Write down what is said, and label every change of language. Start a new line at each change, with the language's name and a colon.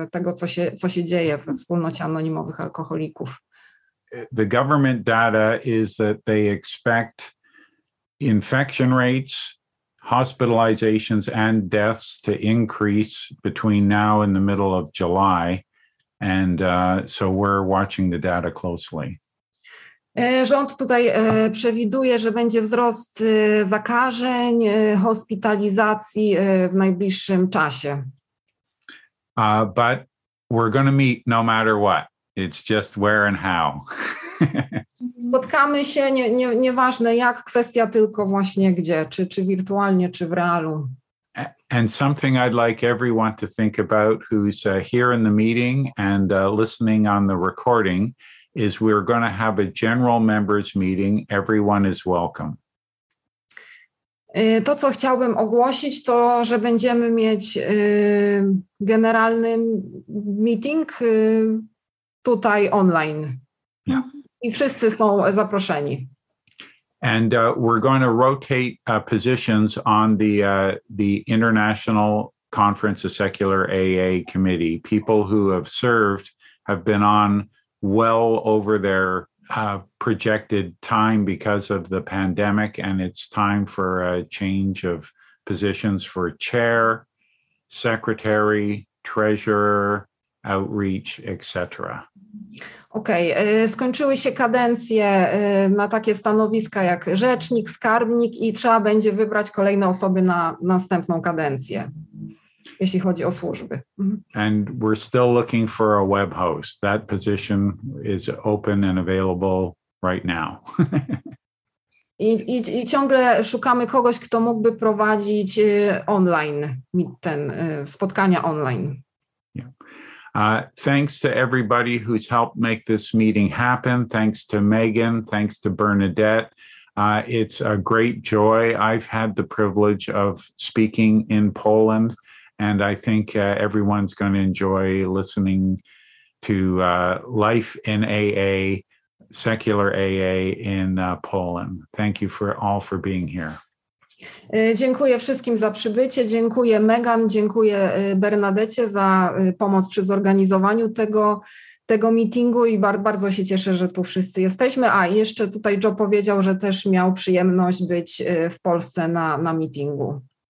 Polish: Tego, co się dzieje we wspólnocie anonimowych alkoholików.
English: The government data is that they expect infection rates, hospitalizations and deaths to increase between now and the middle of July. And so we're watching the data closely.
Polish: Rząd tutaj przewiduje, że będzie wzrost zakażeń, hospitalizacji w najbliższym czasie.
English: But we're going to meet no matter what. It's just where and how.
Polish: Spotkamy się, nieważne jak, kwestia tylko właśnie gdzie, czy wirtualnie, czy w realu.
English: And something I'd like everyone to think about who's here in the meeting and listening on the recording is we're going to have a general members meeting. Everyone is welcome.
Polish: To, co chciałbym ogłosić, to, że będziemy mieć generalny meeting tutaj online.
English: Yeah.
Polish: I wszyscy są zaproszeni.
English: And we're going to rotate positions on the International Conference of Secular AA Committee. People who have served have been on well over their projected time because of the pandemic, and it's time for a change of positions for chair, secretary, treasurer, outreach, etc. Okej, okay.
Polish: Skończyły się kadencje na takie stanowiska jak rzecznik, skarbnik i trzeba będzie wybrać kolejne osoby na następną kadencję, jeśli chodzi o służby.
English: And we're still looking for a web host. That position is open and available right now.
Polish: I ciągle szukamy kogoś, kto mógłby prowadzić online, spotkania online.
English: Thanks to everybody who's helped make this meeting happen. Thanks to Megan. Thanks to Bernadette. It's a great joy. I've had the privilege of speaking in Poland, and I think everyone's going to enjoy listening to life in AA, secular AA in Poland. Thank you for all for being here.
Polish: Dziękuję wszystkim za przybycie, dziękuję Megan, dziękuję Bernadecie za pomoc przy zorganizowaniu tego meetingu i bardzo się cieszę, że tu wszyscy jesteśmy. A jeszcze tutaj Joe powiedział, że też miał przyjemność być w Polsce na meetingu.